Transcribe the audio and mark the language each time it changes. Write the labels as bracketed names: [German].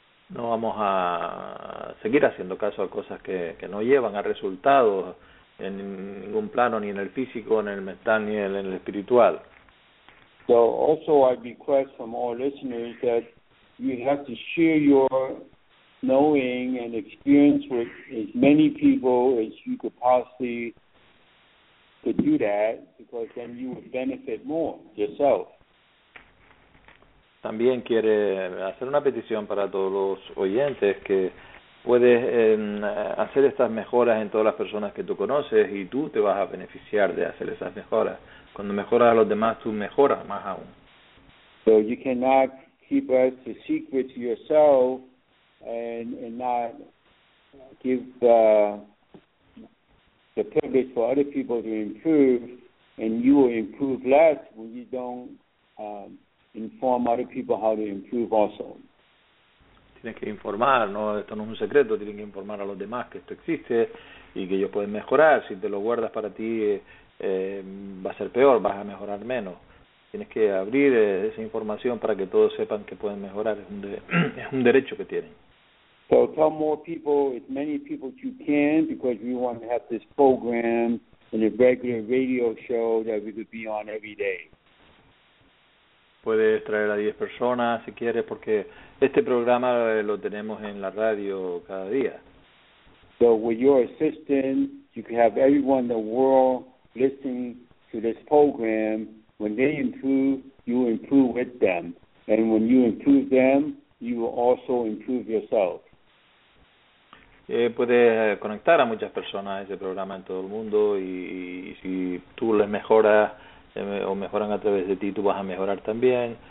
[Spanish] No vamos a seguir haciendo caso a cosas que no llevan a resultados en ningún plano, ni en el físico, ni en el mental, ni en el espiritual. [English] So also I request from all listeners that you have to share your knowing and experience with as many people as you could possibly could do that, because then you would benefit more yourself. [Spanish] También quiere hacer una petición para todos los oyentes que puedes hacer estas mejoras en todas las personas que tú conoces y tú te vas a beneficiar de hacer esas mejoras. Cuando mejoras a los demás, tú mejoras más aún. [English] So you cannot keep us a secret to yourself and not give the privilege for other people to improve, and you will improve less when you don't inform other people how to improve also. [Spanish] Tienes que informar, ¿no? Esto no es un secreto, tienes que informar a los demás que esto existe y que ellos pueden mejorar. Si te lo guardas para ti, va a ser peor, vas a mejorar menos. Tienes que abrir esa información para que todos sepan que pueden mejorar, es un derecho que tienen. [English] So tell more people, as many people as you can, because we want to have this program and a regular radio show that we could be on every day. [Spanish] Puedes traer a 10 personas si quieres, porque este programa lo tenemos en la radio cada día. [English] So with your assistance, you can have everyone in the world listening to this program. When they improve, you improve with them. And when you improve them, you will also improve yourself. [Spanish] Puedes conectar a muchas personas a ese programa en todo el mundo, y si tú les mejoras, o mejoran a través de ti, tú vas a mejorar también.